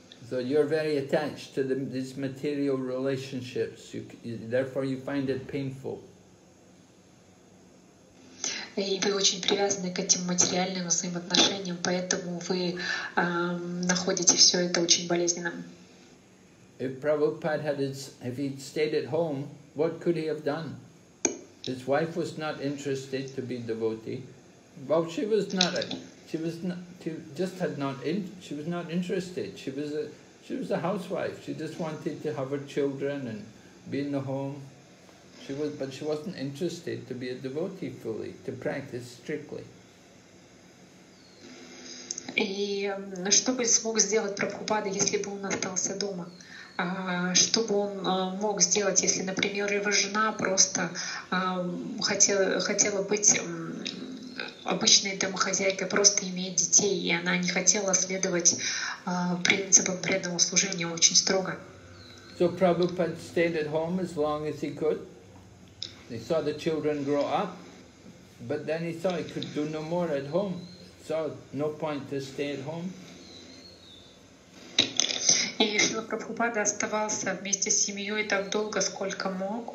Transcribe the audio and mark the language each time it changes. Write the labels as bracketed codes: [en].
[en] So you're very attached to these material relationships. Therefore, you find it painful. [ru] И вы очень привязаны к этим материальным взаимоотношениям, поэтому вы находите все это очень болезненным. [en] If Prabhupada had if he stayed at home, what could he have done? His wife was not interested to be devotee. Well, she was not. She was not interested. She was a housewife. She just wanted to have her children and be in the home. But she wasn't interested to be a devotee fully, to practice strictly. [ru] И что бы смог сделать Прабхупада, если бы он остался дома? Что бы он мог сделать, если, например, его жена просто хотела быть обычной домохозяйкой, просто иметь детей, и она не хотела следовать принципам преданного служения очень строго? [en] So Prabhupada stayed at home as long as he could. He saw the children grow up, but then he saw he could do no more at home. So no point to stay at home. [ru] И Шрила Прабхупада оставался вместе с семьей так долго, сколько мог.